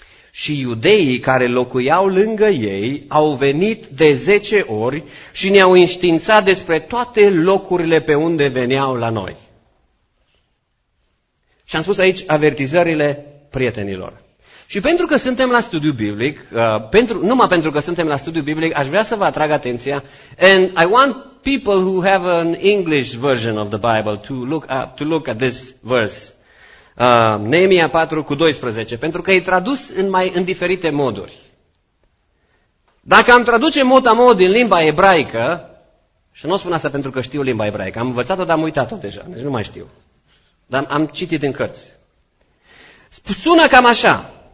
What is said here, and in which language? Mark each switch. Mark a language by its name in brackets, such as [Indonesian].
[Romanian] Și iudeii care locuiau lângă ei au venit de 10 ori și ne-au înștiințat despre toate locurile pe unde veneau la noi. Și am spus aici avertizările prietenilor. Și pentru că suntem la studiu biblic, numai pentru că suntem la studiu biblic, aș vrea să vă atrag atenția. [English] And I want people who have an English version of the Bible to look at this verse. [Romanian] Neemia 4:12, pentru că e tradus în diferite moduri. Dacă am traduce mod a mod din limba ebraică Și nu spun asta pentru că știu limba ebraică. Am învățat-o, dar am uitat-o deja. Deci nu mai știu. Dar am citit în cărți. Sună cam așa.